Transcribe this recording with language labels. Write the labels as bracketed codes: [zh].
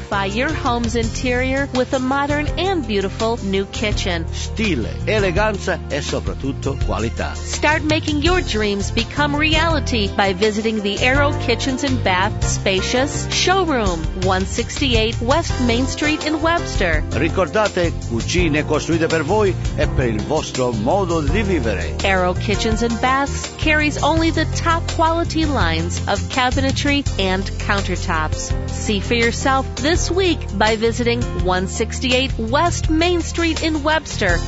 [en] Your home's interior with a modern and beautiful new kitchen. [it] Stile, eleganza e soprattutto qualità. [en] Start making your dreams become reality by visiting the Aero Kitchens and Bath spacious showroom, 168 West Main Street in Webster. [it] Ricordate, cucine costruite per voi e per il vostro modo di vivere. [en] Aero Kitchens and Baths carries only the top quality lines of cabinetry and countertops. See for yourself this week by visiting 168 West Main Street in Webster.